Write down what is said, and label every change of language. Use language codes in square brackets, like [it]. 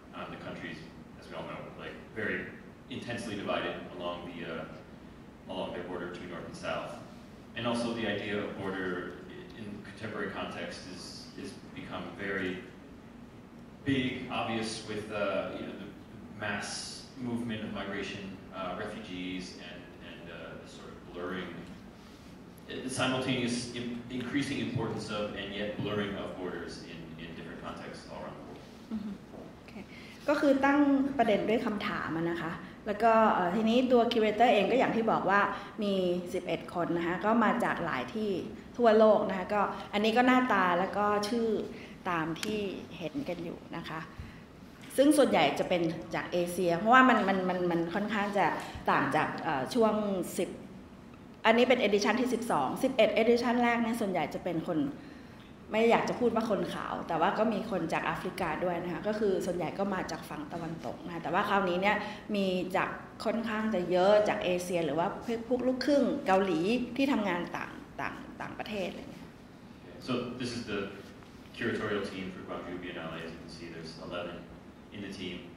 [en] The country is, as we all know, like very intensely divided along their border to north and south, and also the idea of border in contemporary context is become very big, obvious with the mass movement of migration, refugees, and the sort of blurring, the simultaneous increasing importance of and yet blurring of borders in different contexts all around the world. [th] Okay, ก็คือตั้งประเด็นด้วยคำถามนะคะแล้วก็ทีนี้ตัวคิวเรเตอร์เองก็อย่างที่บอกว่ามี11คนนะคะก็มาจากหลายที่ทั่วโลกนะคะก็อันนี้ก็หน้าตาแล้วก็ชื่อตามที่เห็นกันอยู่นะคะ ซึ่งส่วนใหญ่จะเป็นจากเอเชียเพราะว่ามันค่อนข้างจะต่างจากช่วง10อันนี้เป็นเอดิชันที่12 11เอดิชันแรกเนี่ยส่วนใหญ่จะเป็นคนไม่อยากจะพูดว่าคนขาวแต่ว่าก็มีคนจากแอฟริกาด้วยนะคะก็คือส่วนใหญ่ก็มาจากฝั่งตะวันตกนะแต่ว่าคราวนี้เนี่ยมีจากค่อนข้างจะเยอะจากเอเชียหรือว่าพวกลูกครึ่งเกาหลีที่ทำงานต่างประเทศอะไรเงี้ย [en] So this is the curatorial team for Gwangju Biennale. As you can see, there's 11 in the team.